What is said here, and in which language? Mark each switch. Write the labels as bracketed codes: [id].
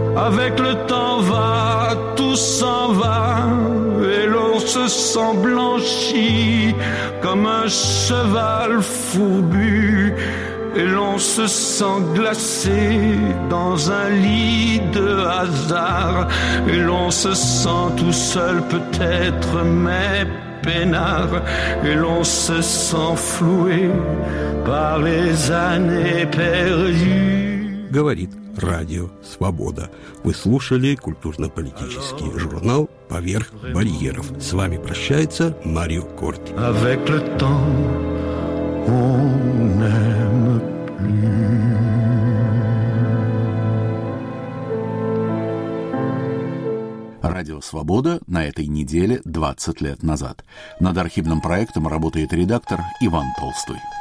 [fr] Avec le temps va, tout s'en va, et l'on se sent blanchi comme un cheval fourbu, et l'on se sent glacé dans un lit de hasard, et l'on se sent tout seul peut-être, mais peinard, et l'on se sent floué par les années perdues. [ru] Говорит Радио Свобода. Вы слушали культурно-политический журнал «Поверх барьеров». С вами прощается Марио Корти. [fr] Avec le temps, on n'aime plus. [ru] Радио Свобода на этой неделе 20 лет назад. Над архивным проектом работает редактор Иван Толстой.